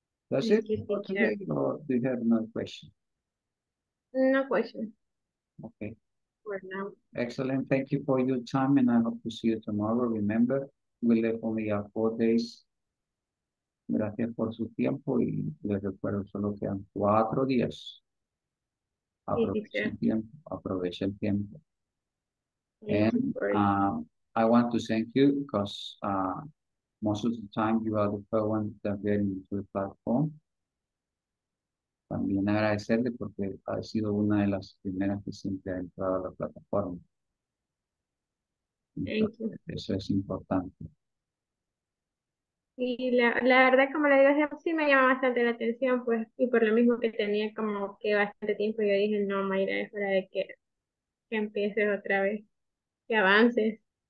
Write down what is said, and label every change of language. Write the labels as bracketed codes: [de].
[en] That's it for today, or do you have another question? No question. Ok. Excellent. Thank you for your time and I hope to see you tomorrow. Remember, we live only 4 days. [es] Gracias por su tiempo y les recuerdo solo quedan 4 días. Aproveche el tiempo. [en] I want to thank you because most of the time you are the first one that get into the platform. [es] También agradecerle porque ha sido una de las primeras que siempre ha entrado a la plataforma. Entonces, eso es importante. Sí, la verdad, como le digo, sí me llama bastante la atención, pues, y por lo mismo que tenía como que bastante tiempo, yo dije, no, Mayra, es hora de que empieces otra vez, que avances.